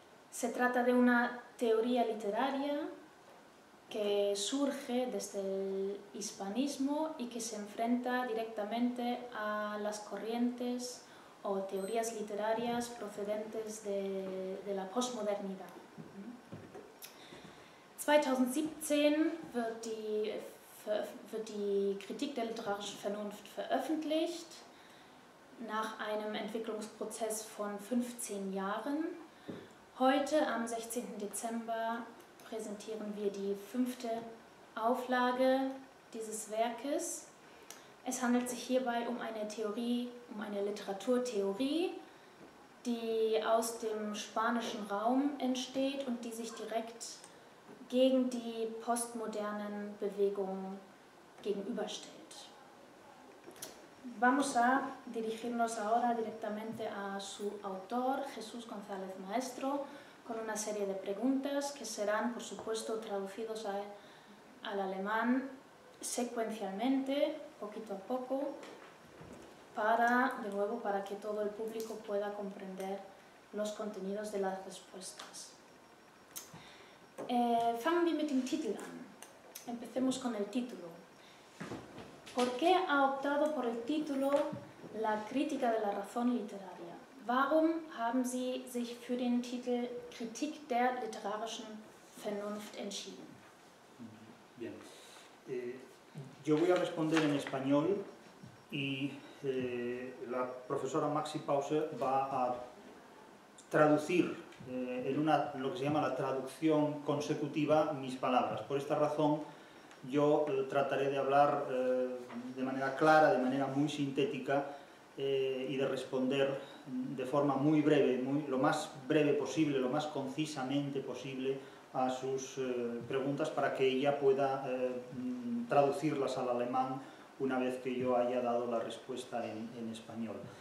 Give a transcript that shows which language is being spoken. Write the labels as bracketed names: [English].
[Spanish] Se trata de una teoría literaria que surge desde el hispanismo y que se enfrenta directamente a las corrientes o teorías literarias procedentes de la posmodernidad. [German] 2017 wird die Kritik der literarischen Vernunft veröffentlicht, nach einem Entwicklungsprozess von 15 Jahren. Heute, am 16. Dezember, präsentieren wir die fünfte Auflage dieses Werkes. Es handelt sich hierbei um eine Theorie, um eine Literaturtheorie, die aus dem spanischen Raum entsteht und die sich direkt gegen die postmodernen Bewegungen gegenüberstellt. [Spanish] Vamos a dirigirnos ahora directamente a su autor, Jesús González Maestro, con una serie de preguntas que serán, por supuesto, traducidos al alemán secuencialmente, poquito a poco, para, de nuevo, para que todo el público pueda comprender los contenidos de las respuestas. [German] Fangen wir mit dem Titel an. [Spanish] Empecemos con el título. ¿Por qué ha optado por el título La crítica de la razón literaria? [German] Warum haben Sie sich für den Titel Kritik der literarischen Vernunft entschieden? [Spanish] Bien. Yo voy a responder en español y la profesora Maxi Pauser va a traducir en una, lo que se llama la traducción consecutiva, mis palabras. Por esta razón, yo trataré de hablar de manera clara, de manera muy sintética y de responder de forma muy breve, lo más breve posible, lo más concisamente posible a sus preguntas para que ella pueda traducirlas al alemán una vez que yo haya dado la respuesta en español.